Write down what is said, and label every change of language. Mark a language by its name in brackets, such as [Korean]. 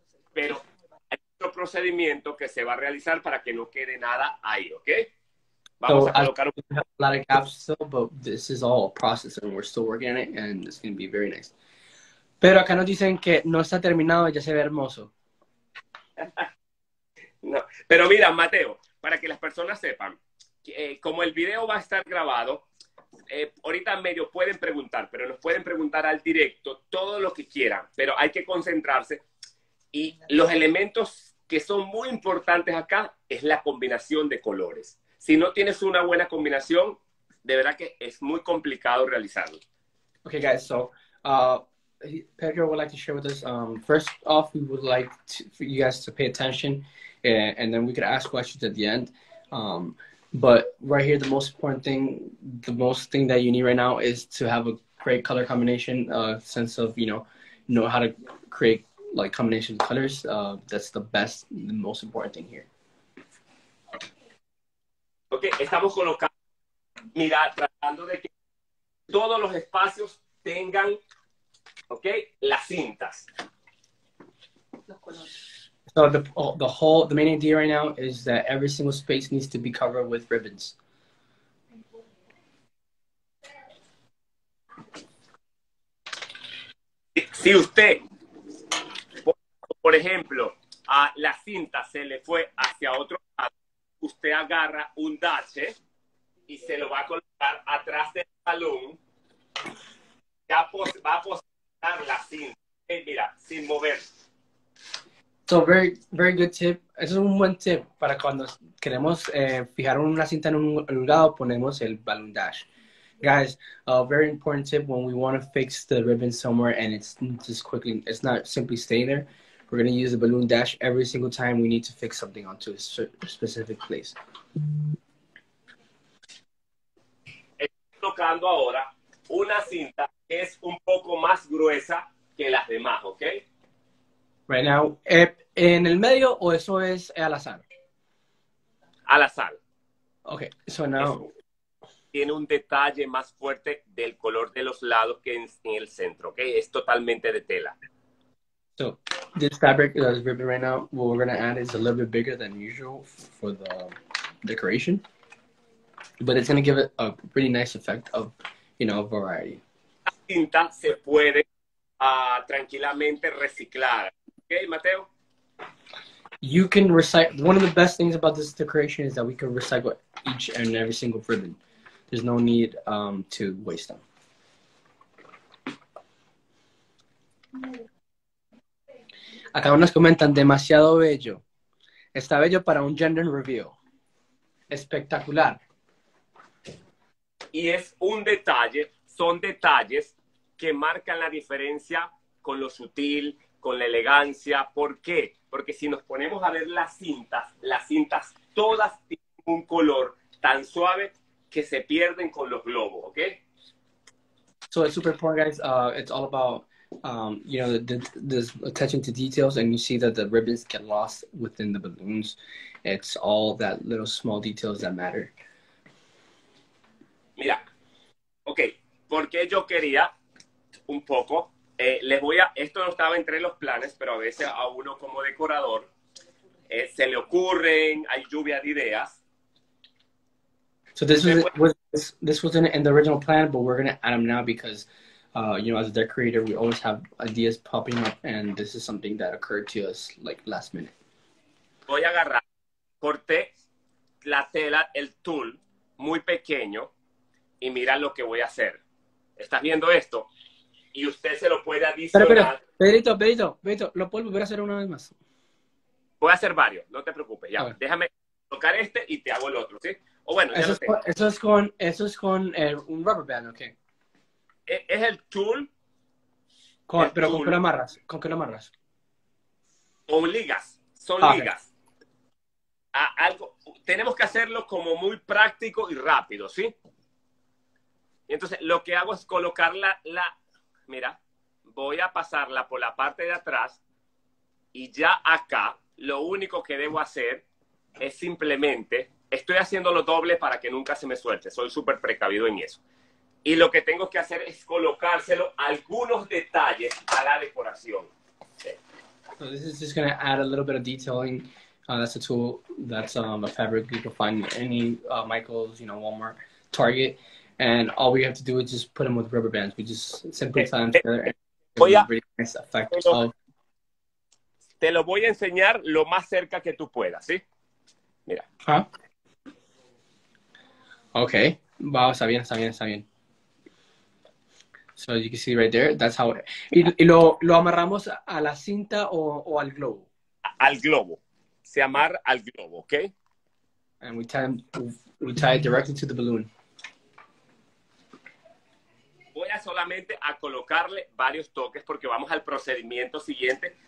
[Spanish] Pero hay otro procedimiento que se va a realizar para que no quede nada ahí, ¿ok? Vamos a colocar un [English] lot of gaps still, but this is all a process and we're still working on it and it's going to be very nice. [Spanish] Pero acá nos dicen que no está terminado y ya se ve hermoso. No, pero mira, Mateo, para que las personas sepan, como el video va a estar grabado, ahorita medio pueden preguntar, pero nos pueden preguntar al directo todo lo que quieran, pero hay que concentrarse. Y los elementos que son muy importantes acá es la combinación de colores. Si no tienes una buena combinación, de verdad que es muy complicado realizarlo. [English] Okay, guys, so Pedro would like to share with us. First off, we would like for you guys to pay attention and then we could ask questions at the end. But right here, the most important thing, the most thing that you need right now is to have a great color combination, a sense of, know how to create like combination of colors, that's the best, the most important thing here. [Spanish] Okay, estamos colocando, mira, tratando de que todos los espacios tengan, okay, las cintas. Los colores. [English] So the main idea right now is that every single space needs to be covered with ribbons. [Spanish] Si usted, por ejemplo, a la cinta se le fue hacia otro lado, usted agarra un dache y se lo va a colocar atrás del balón, ya va a posicionar la cinta, mira, sin mover. [English] So, very, very good tip. [Spanish] Eso es un buen tip para cuando queremos fijar una cinta en un lugar, ponemos el balón dash. [English] Guys, a very important tip when we want to fix the ribbon somewhere and it's just quickly, it's not simply staying there. We're going to use a balloon dash every single time we need to fix something onto a specific place. [Spanish] Estoy colocando ahora una cinta que es un poco más gruesa que las demás, ¿ok? [English] Right now, [Spanish] ¿en el medio o eso es al azar? Al azar. [English] Okay, so now. [Spanish] Tiene un detalle más fuerte del color de los lados que en el centro, ¿ok? Es totalmente de tela. [English] So this fabric, this ribbon right now, what we're going to add is a little bit bigger than usual for the decoration, but it's going to give it a pretty nice effect of, variety. [Spanish] La cinta se puede tranquilamente reciclar. Okay, Mateo? [English] You can recycle. One of the best things about this decoration is that we can recycle each and every single ribbon. There's no need to waste them. [Spanish] Acá nos comentan, demasiado bello. Está bello para un gender reveal. Espectacular. Y es un detalle, son detalles que marcan la diferencia con lo sutil, con la elegancia. ¿Por qué? Porque si nos ponemos a ver las cintas todas tienen un color tan suave que se pierden con los globos, ¿ok? [English] So it's super important, guys. It's all about, you know, the attention to details, and you see that the ribbons get lost within the balloons. It's all that little small details that matter. [Spanish] Mira, okay, porque yo quería un poco, les voy a, esto no estaba entre los planes, pero a veces a uno como decorador se le ocurren, hay lluvia de ideas. [English] So this was in the original plan, but we're going to add them now because, you know, as a decorator, we always have ideas popping up, and this is something that occurred to us, like, last minute. [Spanish] Voy a agarrar, corté la tela, el tul, muy pequeño, y mira lo que voy a hacer. ¿Estás viendo esto? Y usted se lo puede adicionar. Pero, Pedrito, lo puedo volver a hacer una vez más. Voy a hacer varios, no te preocupes, ya. Déjame tocar este y te hago el otro, ¿sí? O bueno, eso es con un rubber band, ¿ok? Es el tool. ¿Con qué lo amarras? ¿Con qué lo amarras? Con ligas. Ligas. Algo. Tenemos que hacerlo como muy práctico y rápido, ¿sí? Y entonces lo que hago es colocar la. Mira, voy a pasarla por la parte de atrás y ya acá lo único que debo hacer es simplemente. Estoy haciéndolo doble para que nunca se me suelte. Soy súper precavido en eso. Y lo que tengo que hacer es colocárselo algunos detalles a la decoración. [English] So this is just going to add a little bit of detailing. That's a tool. That's a fabric you can find any Michael's, you know, Walmart, Target. And all we have to do is just put them with rubber bands. We just simply tie them together. And [Spanish] voy a [English] really nice effect. [Spanish] Te lo voy a enseñar lo más cerca que tú puedas, ¿sí? Mira. Huh? Okay. Wow, está bien. [English] So you can see right there, that's how... [Spanish] ¿Y lo amarramos a la cinta o al globo? Al globo. Se amarra al globo, okay? [English] And we tie it directly to the balloon. [Spanish] Voy a solamente a colocarle varios toques porque vamos al procedimiento siguiente.